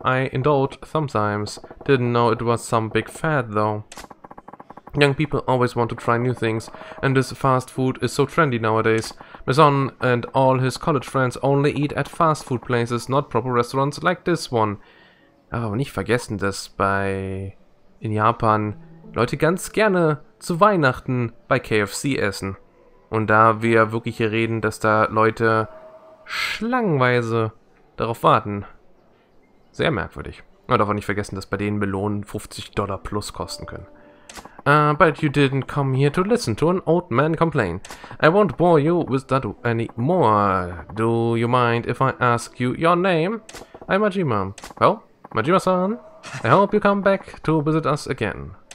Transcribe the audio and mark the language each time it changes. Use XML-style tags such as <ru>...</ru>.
<en>I indulge sometimes. Didn't know it was some big fad, though. Young people always want to try new things, and this fast food is so trendy nowadays. Mason and all his college friends only eat at fast food places, not proper restaurants like this one.</en> <de>Aber nicht vergessen, dass bei in Japan Leute ganz gerne zu Weihnachten bei KFC essen. Und da wir wirklich hier reden, dass da Leute schlangenweise darauf warten. Sehr merkwürdig. Und auch nicht vergessen, dass bei denen Melonen $50 plus kosten können.</de> <en>But you didn't come here to listen to an old man complain. I won't bore you with that anymore. Do you mind if I ask you your name? I'm Majima. Well, Majima-san, I hope you come back to visit us again.</en>